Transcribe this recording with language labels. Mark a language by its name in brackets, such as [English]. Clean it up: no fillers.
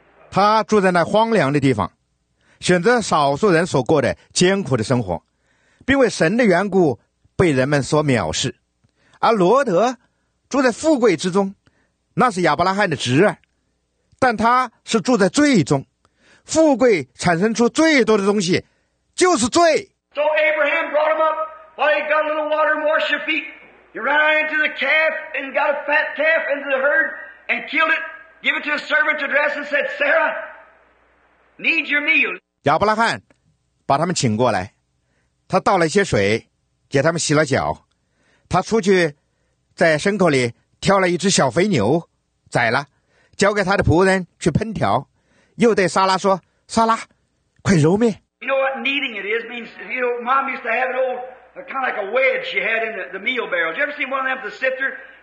[Chinese] 他住在那荒凉的地方，选择少数人所过的艰苦的生活，并为神的缘故被人们所藐视。而罗德住在富贵之中，那是亚伯拉罕的侄儿，但他是住在罪中。富贵产生出最多的东西就是罪。 [English] So Abraham brought him up while he got a little water and washed your feet. He ran into the calf and got a fat calf into the herdand killed it, give it to a servant to dress and said, Sarah, need your meal. [Chinese] 亚伯拉罕把他们请过来，他倒了一些水给他们洗了脚，他出去在牲口里挑了一只小肥牛宰了，交给他的仆人去烹调，又对莎拉说，莎拉，快揉面。 [English] You know what kneading it is? Means, you know, Mom used to have an old, kind of like a wedge she had in the meal barrel. Did you ever see one of them with the sifter?